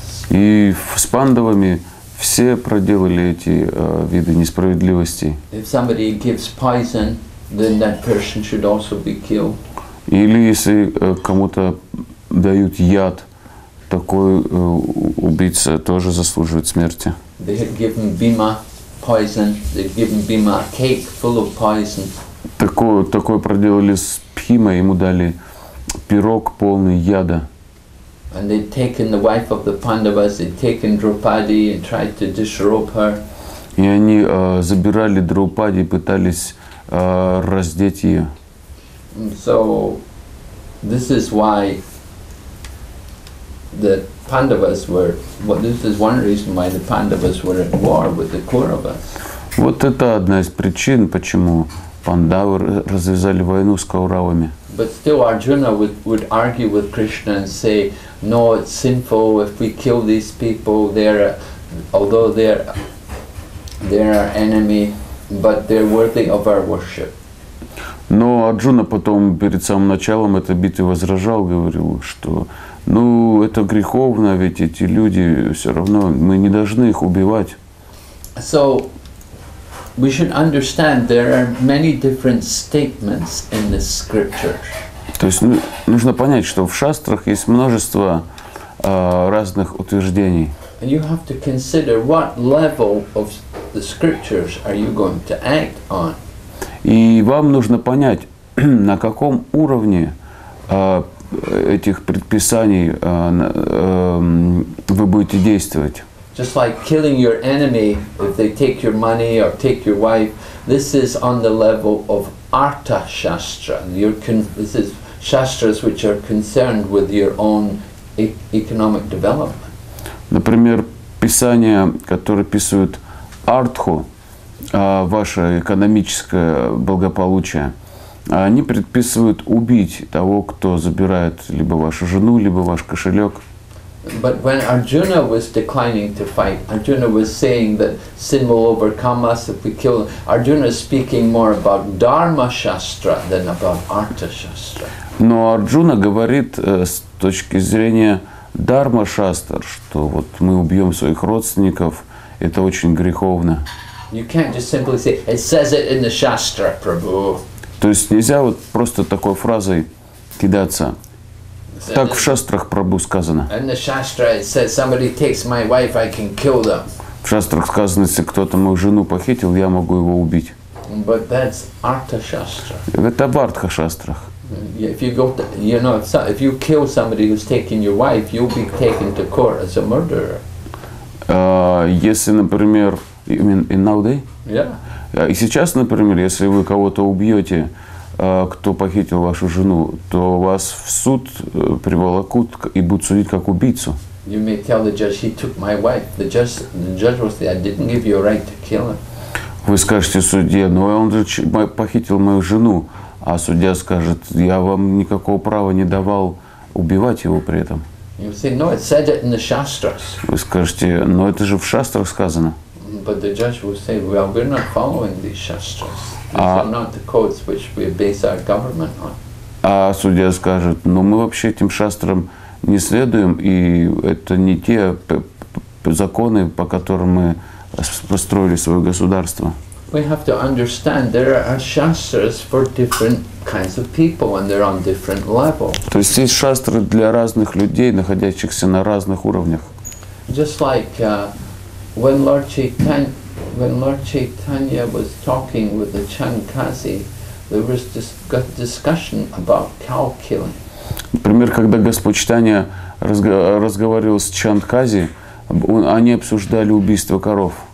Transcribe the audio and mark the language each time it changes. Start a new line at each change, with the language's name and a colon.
Russian: И с Пандавами все проделали эти виды несправедливости.
English: If somebody gives poison, then that person should also be killed.
Russian: Или если кому-то дают яд, такой убийца тоже заслуживает смерти.
English: They had given Bhima poison. They've given Bhima a cake full of poison.
Russian: Такое проделали с Бхимой, ему дали пирог полный яда.
English: And they've taken the wife of the Pandavas. They've taken Draupadi and tried to disrobe her.
Russian: И они забирали Драупади, пытались раздеть ее.
English: So this is why the Pandavas were, well, this is one reason why the Pandavas were at war with the Kauravas.
Russian: Вот это одна из причин, почему Пандавы развязали войну с Кауравами.
English: But still Arjuna would argue with Krishna and say, no, it's sinful if we kill these people, although they're our enemy, but they're worthy of our worship.
Russian: Но Арджуна потом перед самым началом этой битвы возражал, говорил, что ну это греховно, ведь эти люди все равно, мы не должны их убивать.
English: So we should understand there are many different statements in the scripture.
Russian: То есть нужно понять, что в шастрах есть множество разных утверждений.
English: And you have to consider what level of the scriptures are you going to act on.
Russian: И вам нужно понять, на каком уровне этих предписаний вы будете действовать.
English: just like killing your enemy if they take your money or take your wife. This is on the level of Artha Shastra. This is shastras which are concerned with your own economic development.
Russian: Например, писания, которые описывают артху, ваше экономическое благополучие, они предписывают убить того, кто забирает либо вашу жену, либо ваш кошелек.
English: But when Arjuna was declining to fight, Arjuna was saying that sin will overcome us if we kill him. Arjuna is speaking more about Dharma Shastra than about Artha Shastra.
Russian: Но Арджуна говорит с точки зрения Дарма Шастр, что вот мы убьем своих родственников, это очень греховно.
English: You can't just simply say, it says it in the Shastra, Prabhu.
Russian: То есть нельзя вот просто такой фразой кидаться. Так в шастрах Прабху сказано.
English: In the Shastra it says, somebody takes my wife, I can kill them.
Russian: В шастрах сказано, если кто-то мою жену похитил, я могу его убить.
English: But that's Artha Shastra.
Russian: Это в Артха Шастрах.
English: If you go, if you kill somebody who's taking your wife, you'll be taken to court as a murderer.
Russian: Если, например,
English: you mean in nowadays? Yeah.
Russian: И сейчас, например, если вы кого-то убьете, кто похитил вашу жену, то вас в суд приволокут и будут судить как убийцу.
English: You may tell the judge he took my wife. The judge will say I didn't give you a right to kill him.
Russian: Вы скажете судье, но он же похитил мою жену. А судья скажет, я вам никакого права не давал убивать его при этом.
English: You say, no, it said it in the Shastras.
Russian: Вы скажете, но это же в шастрах сказано.
English: But the judge will say, well, we're not following these Shastras. These are not the codes which we base our government on.
Russian: А судья скажет, ну мы вообще этим шастрам не следуем, и это не те законы, по которым мы построили свое государство.
English: We have to understand there are shastras for different kinds of people and they're on different levels.
Russian: То есть есть шастры для разных людей, находящихся на разных уровнях.
English: Just like when Lord Chaitanya was talking with the Chankasi, there was discussion about cow killing.
Russian: Например, когда Господь Чайтанья разговаривал с Чанкази, они обсуждали убийство коров.